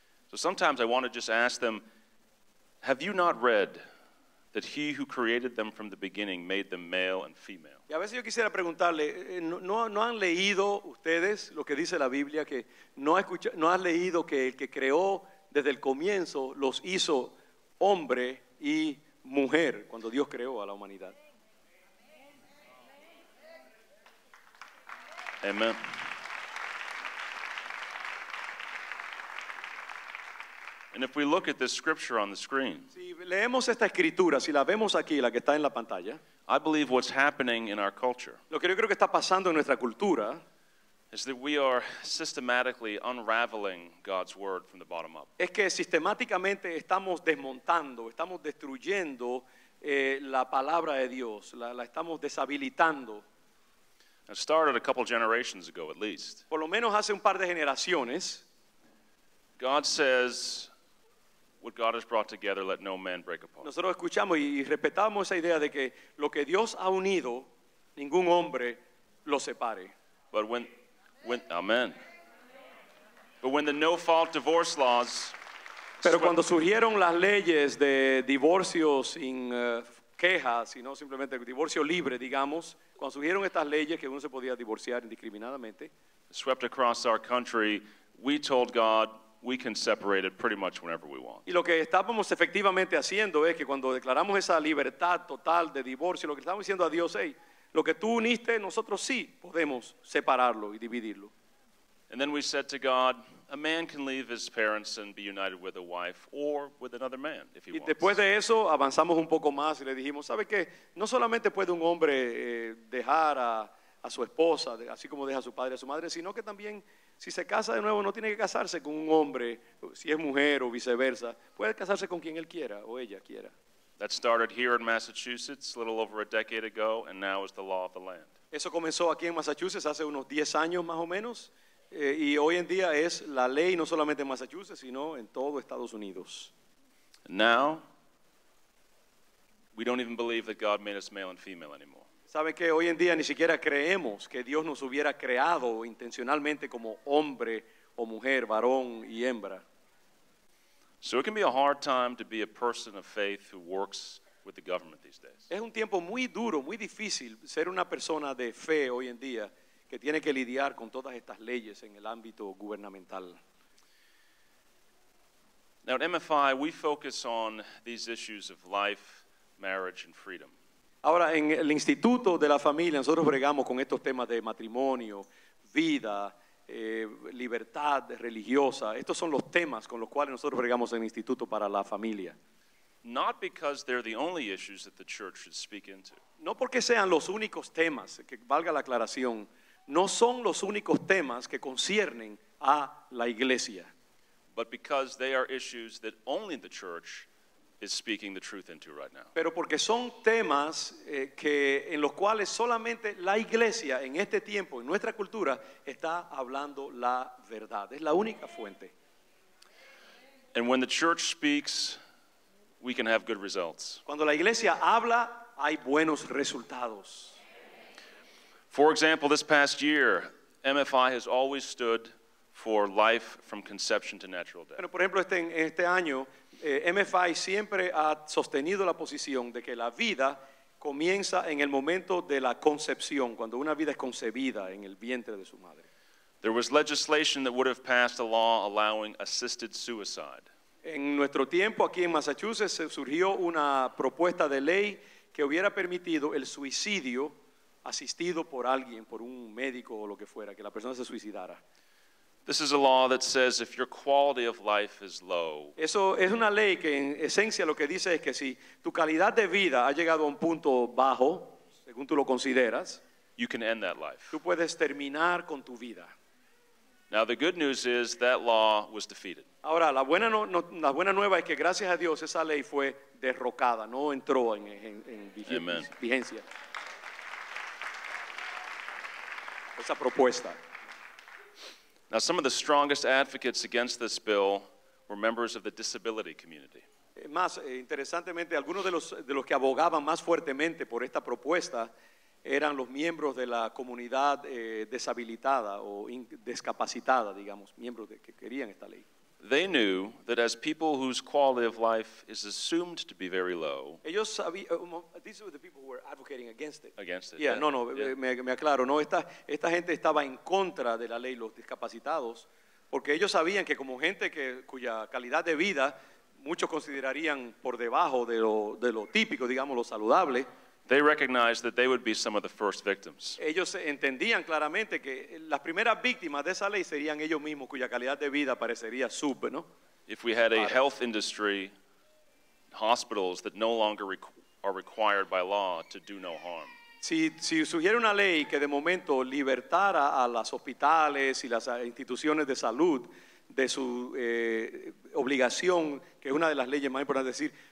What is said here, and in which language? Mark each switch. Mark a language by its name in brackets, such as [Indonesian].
[English] So sometimes I want to just ask them, have you not read that he who created them from the beginning made them male and female? [Spanish] Y a veces yo quisiera preguntarle, ¿no han leído ustedes lo que dice la Biblia, que no han leído que el que creó desde el comienzo los hizo hombre y mujer cuando Dios creó a la humanidad? [English] Amen. And if we look at this scripture on the screen, [Spanish] si leemos esta escritura, si la vemos aquí, la que está en la pantalla, [English] I believe what's happening in our culture, [Spanish] lo que yo creo que está pasando en nuestra cultura, [English] is that we are systematically unraveling God's word from the bottom up. [Spanish] Es que sistemáticamente estamos desmontando, estamos destruyendo la palabra de Dios, la estamos deshabilitando. [English] It started a couple generations ago, at least. [Spanish] Por lo menos hace un par de generaciones. [English] God says, what God has brought together, let no man break apart. [Spanish] Nosotros escuchamos y respetamos esa idea de que lo que Dios ha unido, ningún hombre lo separe. [English] But amen. But when the no-fault divorce laws, [Spanish] pero cuando surgieron las leyes de divorcio sin quejas, sino simplemente divorcio libre, digamos, cuando surgieron estas leyes que uno se podía divorciar indiscriminadamente, [English] swept across our country, we told God, we can separate it pretty much whenever we want. [Spanish] Y lo que estábamos efectivamente haciendo es que cuando declaramos esa libertad total de divorcio, lo que estábamos diciendo a Dios, hey, lo que tú uniste, nosotros sí podemos separarlo y dividirlo. [English] And then we said to God, a man can leave his parents and be united with a wife or with another man if he [Spanish] wants. Y después de eso avanzamos un poco más y le dijimos, ¿sabe qué? No solamente puede un hombre dejar a su esposa, así como deja a su padre y a su madre, sino que también, si se casa de nuevo, no tiene que casarse con un hombre, si es mujer o viceversa. Puede casarse con quien él quiera o ella quiera. [English] That started here in Massachusetts a little over a decade ago, and now is the law of the land. [Spanish] Eso comenzó aquí en Massachusetts hace unos 10 años más o menos, y hoy en día es la ley no solamente en Massachusetts, sino en todo Estados Unidos. [English] Now, we don't even believe that God made us male and female anymore. [Spanish] ¿Sabe que hoy en día ni siquiera creemos que Dios nos hubiera creado intencionalmente como hombre o mujer, varón y hembra? [English] So it can be a hard time to be a person of faith who works with the government these days. [Spanish] Es un tiempo muy duro, muy difícil ser una persona de fe hoy en día que tiene que lidiar con todas estas leyes en el ámbito gubernamental. [English] Now at MFI we focus on these issues of life, marriage and freedom. [Spanish] Ahora, en el Instituto de la Familia, nosotros bregamos con estos temas de matrimonio, vida, libertad religiosa. Estos son los temas con los cuales nosotros bregamos en el Instituto para la Familia. [English] Not because they're the only issues that the church should speak into. [Spanish] No porque sean los únicos temas, que valga la aclaración, no son los únicos temas que conciernen a la iglesia. [English] But because they are issues that only the church is speaking the truth into right now. [Spanish] Pero porque son temas que en los cuales solamente la iglesia en este tiempo, en nuestra cultura, está hablando la verdad. Es la única fuente. [English] And when the church speaks, we can have good results. [Spanish] Cuando la iglesia habla, hay buenos resultados. [English] For example, this past year, MFI has always stood for life from conception to natural death. [Spanish] Bueno, por ejemplo, este año, MFI siempre ha sostenido la posición de que la vida comienza en el momento de la concepción, cuando una vida es concebida en el vientre de su madre. [English] There was legislation that would have passed a law allowing assisted suicide. [Spanish] En nuestro tiempo aquí en Massachusetts surgió una propuesta de ley que hubiera permitido el suicidio asistido por alguien, por un médico o lo que fuera, que la persona se suicidara. [English] This is a law that says if your quality of life is low. [Spanish] Eso es una ley que en esencia lo que dice es que si tu calidad de vida ha llegado a un punto bajo, según tú lo consideras, [English] you can end that life. [Spanish] Tú puedes terminar con tu vida. [English] Now the good news is that law was defeated. [Spanish] Ahora, la buena nueva es que gracias a Dios esa ley fue derrocada, no entró en vigencia. Esa propuesta. [English] Now some of the strongest advocates against this bill were members of the disability community. [Spanish] Más interesantemente, algunos de los que abogaban más fuertemente por esta propuesta eran los miembros de la comunidad deshabilitada o discapacitada, digamos, miembros que querían esta ley. [English] They knew that as people whose quality of life is assumed to be very low. [Spanish] Ellos sabían, [English] these were the people who were advocating against it. Against it. Yeah, yeah. No, yeah. [Spanish] Me aclaro, no, esta gente estaba en contra de la ley los discapacitados porque ellos sabían que como gente cuya calidad de vida muchos considerarían por debajo de lo típico, digamos, lo saludable. [English] They recognized that they would be some of the first victims. [Spanish] Ellos entendían claramente que las primeras víctimas de esa ley serían ellos mismos, cuya calidad de vida parecería sub, ¿no? [English] If we had a health industry, hospitals that no longer are required by law to do no harm. [Spanish] Si surgiera una ley que de momento libertara a los hospitales y las instituciones de salud de su obligación, que es una de las leyes más importantes, decir.